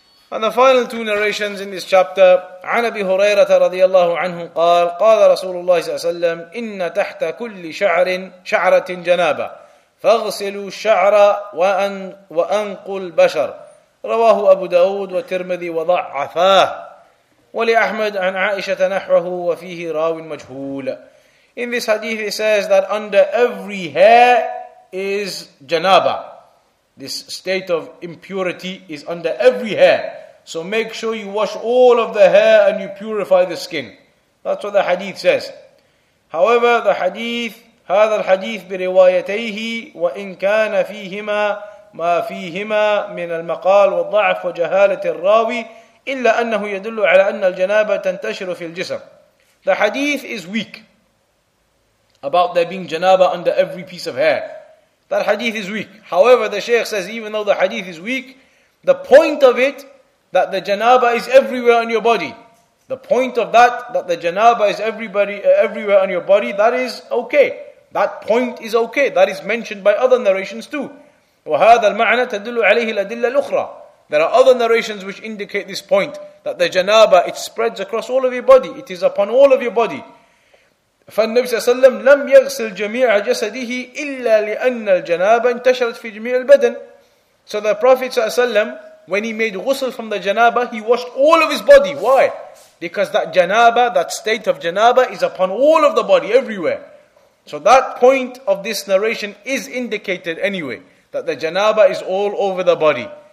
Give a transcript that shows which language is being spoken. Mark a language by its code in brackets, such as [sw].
[en] And the final two narrations in this chapter, [ar] عن أبي هريرة رضي الله عنه قال, قال رسول الله صلى الله عليه وسلم, إن تحت كل شعر شعرة جنابة, فاغسلوا الشعر وأنقوا البشر. رواه أبو داود والترمذي وضعفاه ولأحمد عن عائشة نحوه وفيه راو مجهول. [en] In this hadith it says that under every hair is janaba. This state of impurity is under every hair. So make sure you wash all of the hair and you purify the skin. That's what the hadith says. However, the hadith, [ar] هذا الحديث بروايتيه وإن كان فيهما ما فيهما من المقال والضعف وجهالة الراوي إلا أنه يدل على أن الجنابة تنتشر في الجسم. [en] The hadith is weak about there being janaba under every piece of hair. That hadith is weak. However, the Shaykh says, even though the hadith is weak, the point of it, that the janaba is everywhere on your body. The point of that the janaba is everywhere on your body, that is okay. That point is okay. That is mentioned by other narrations too. [ar] وهذا المعنى تدل عليه الأدلة الأخرى. [en] There are other narrations which indicate this point, that the janaba, it spreads across all of your body. It is upon all of your body. [ar] فالنبي صلى الله عليه وسلم لم يغسل جميع جسده إلا لأن الجنابة انتشرت في جميع البدن. [en] So the Prophet صلى الله عليه وسلم, when he made ghusl from the janaba, he washed all of his body. Why? Because that janaba, that state of janaba, is upon all of the body, everywhere. So that point of this narration is indicated anyway, that the janaba is all over the body.